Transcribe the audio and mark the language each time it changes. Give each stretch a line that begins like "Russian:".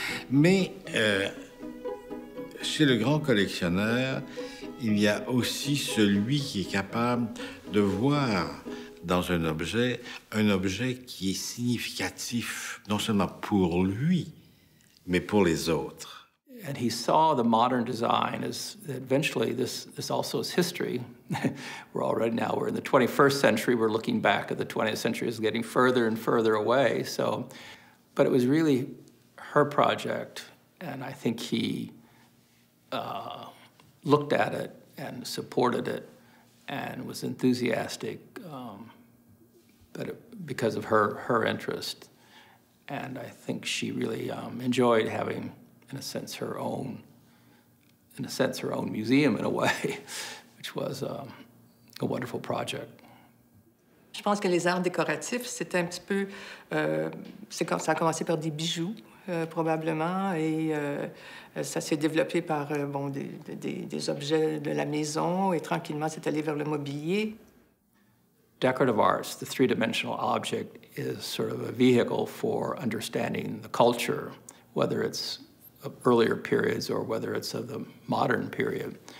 French: Mais chez le grand collectionneur, il y a aussi celui qui est capable de voir dans un objet qui est significatif, non seulement pour lui, mais pour les autres.
English: And he saw the modern design as eventually this also is history. We're already now, we're in the 21st century, we're looking back at the 20th century as getting further and further away. So, but it was really her project, and I think he looked at it and supported it and was enthusiastic because of her interest. And I think she really enjoyed having, in a sense, her own museum in a way, which was a wonderful project.
French: Je pense que les arts décoratifs, c'était un petit peu, ça a commencé par des bijoux probablement, et ça s'est développé par des objets de la maison, et tranquillement, c'est allé vers le mobilier.
English: Decorative arts, the three-dimensional object, is sort of a vehicle for understanding the culture, whether it's of earlier periods or whether it's of the modern period.